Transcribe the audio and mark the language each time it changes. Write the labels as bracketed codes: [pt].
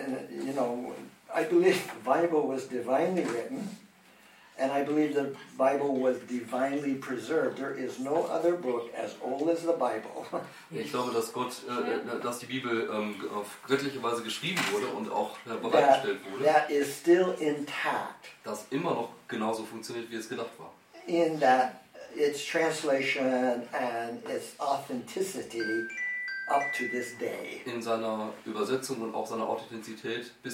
[en] You know, I believe the Bible was divinely written, and I believe the Bible was divinely preserved. There is no other book as old as the Bible. [de] Ich glaube, dass Gott, dass die Bibel auf göttliche Weise geschrieben wurde und auch bereitgestellt wurde. [en] That is still intact. [de] Das immer noch genauso funktioniert, wie es gedacht war. [en] In that its translation and its authenticity up to this day. [de] In seiner Übersetzung und auch seiner Authentizität bis